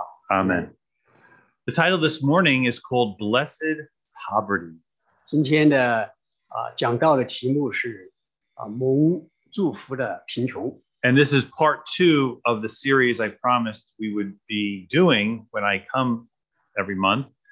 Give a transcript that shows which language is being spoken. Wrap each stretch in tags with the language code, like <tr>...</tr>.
<en>Amen. The title this morning is called Blessed Poverty.</en> <zh>今天的, 讲道的题目是, 蒙祝福的贫穷。</zh> <en>And this is part two of the series I promised we would be doing when I come every month.</en>